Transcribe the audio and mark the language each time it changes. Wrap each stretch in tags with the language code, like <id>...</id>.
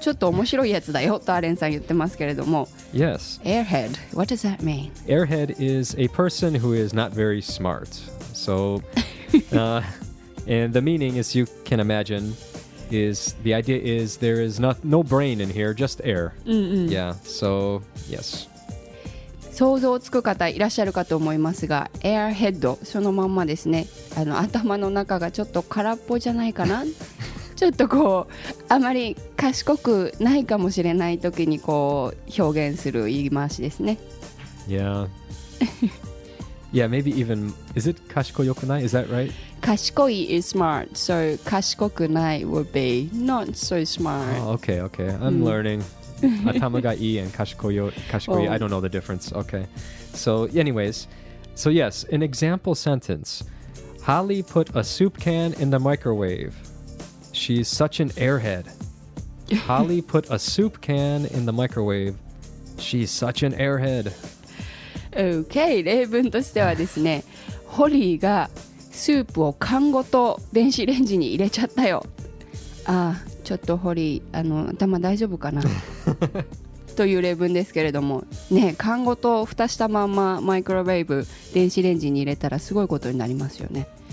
<ja>ちょっと面白いやつだよとアレンさん言ってますけれども。</ja> <en>Yes. Airhead. What does that mean? Airhead is a person who is not very smart. So, and the meaning is you can imagine... Is the idea is there is no brain in here, just air. Mm-hmm. Yeah, so yes.</en> <ja>想像つく方いらっしゃるかと思いますが、airhead そのまんまですね。頭の中がちょっと空っぽじゃないかな。ちょっとこうあまり賢くないかもしれない時にこう表現する言い回しですね。</ja> <en>Yeah. Yeah, maybe even is it</en> <ja>賢くよくない?</ja> <en>Is that right? 賢い is smart, so</en> <ja>賢くない</ja> <en>would be not so smart. Oh, okay, okay. I'm learning.</en> <ja>頭がいい</ja> <en>and 賢い, I don't know the difference. Okay. So anyways, so yes, an example sentence. Holly put a soup can in the microwave. She's such an airhead. Holly put a soup can in the microwave. She's such an airhead.</en> <ja>Okay, 例文としてはですね、ホリーがスープを缶ごと電子レンジに入れちゃったよ。ああ、ちょっとホリー、頭大丈夫かなという例文ですけれども、ね、缶ごと蓋したままマイクロウェーブ電子レンジに入れたらすごいことになりますよね。</ja>